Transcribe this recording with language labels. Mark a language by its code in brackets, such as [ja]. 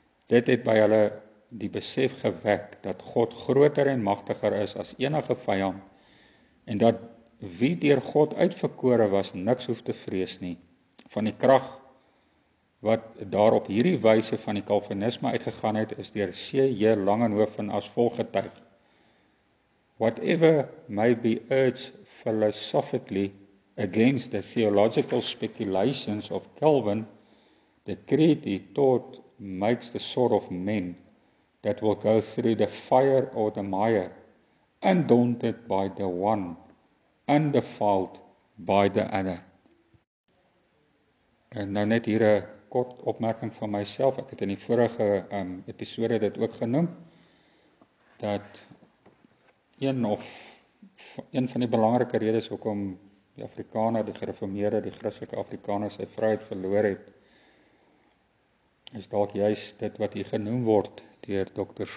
[af] Dit het by hulle die besef gewek dat God groter en magtiger is as enige vyand en dat wie deur God uitverkore was, niks hoef te vrees nie. Van die krag wat daarop hierdie wyse van die Calvinisme uitgegaan het, is deur C.J. Langenhoven as volg getuig. [en] Whatever may be urged philosophically against the theological speculations of Calvin, the creed he taught makes the sort of men that will go through the fire or the mire, undaunted by the one, undefiled by the other. [af] En nou net hier 'n kort opmerking van myself, ek het in die vorige episode dit ook genoem, dat een van die belangrike redes hoekom die Afrikaner, die gereformeerde, die Christelike Afrikaner sy vryheid verloor het, is dalk juist dit wat hier genoem word deur Dr.